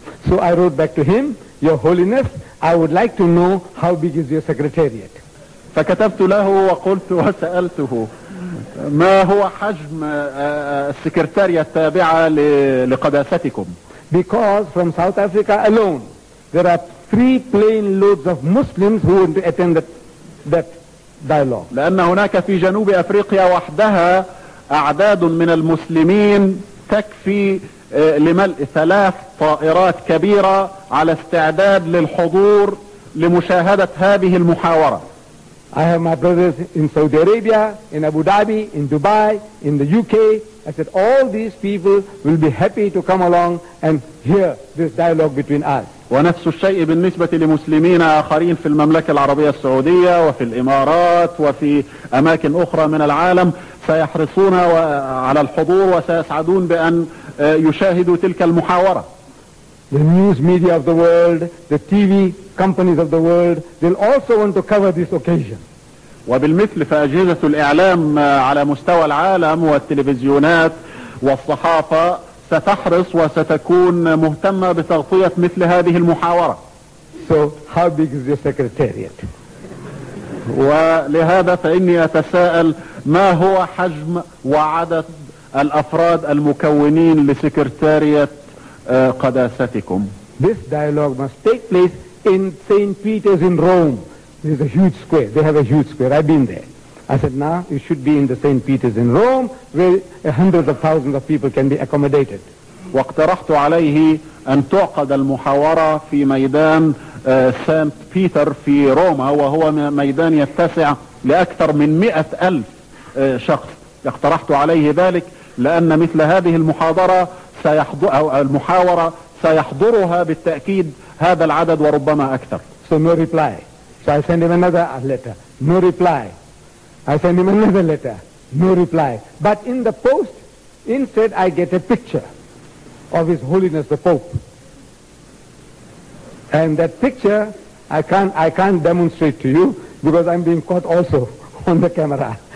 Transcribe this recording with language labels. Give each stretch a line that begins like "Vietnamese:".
English: So I wrote back to him, Your Holiness, I would like to know how big is your secretariat.
Arabic: فكتبت له وقلت وسألته ما هو حجم السكرتارية التابعة لقداستكم.
English: Because from South Africa alone there are 3 plane loads of Muslims who would attend that dialogue.
Arabic: لأن هناك في جنوب أفريقيا وحدها أعداد من المسلمين تكفي لملء 3 طائرات كبيرة على استعداد للحضور لمشاهدة هذه المحاورة.
English: I have my brothers in Saudi Arabia, in Abu Dhabi, in Dubai, in the UK. I said all these people will be happy to come along and hear this dialogue between us.
Arabic: ونفس الشيء بالنسبة لمسلمين آخرين في المملكة العربية السعودية وفي الإمارات وفي أماكن أخرى من العالم سيحرصون على الحضور وسيسعدون بأن يشاهدوا تلك المحاورة.
English: The news media of the world, the TV companies of the world, they'll also want to cover this occasion.
Arabic: وبالمثل فأجهزة الإعلام على مستوى العالم والتلفزيونات والصحافة ستحرص وستكون مهتمة بتغطية مثل هذه المحاورة.
English: So how big is your secretariat?
Arabic: ولهذا فإني أتساءل ما هو حجم وعدد الأفراد المكونين لسكرتارية قداستكم.
English: This dialogue must take place in St. Peter's in Rome. There's a huge square. They have a huge square. I've been there. I said, now you should be in the St. Peter's in Rome where hundreds of thousands of people can be accommodated.
Arabic: واقترحت عليه أن تعقد المحاورة في ميدان سانت بيتر في روما وهو ميدان يتسع لأكثر من 100,000 شخص. اقترحت عليه ذلك لأن مثل هذه المحاضرة سيحضر أو المحاورة سيحضرها بالتأكيد هذا العدد وربما أكثر.
English: So no reply. So I send him another letter. No reply. I send him another letter. No reply. But in the post, instead I get a picture of His Holiness the Pope. And that picture, I can't demonstrate to you because I'm being caught also on the camera.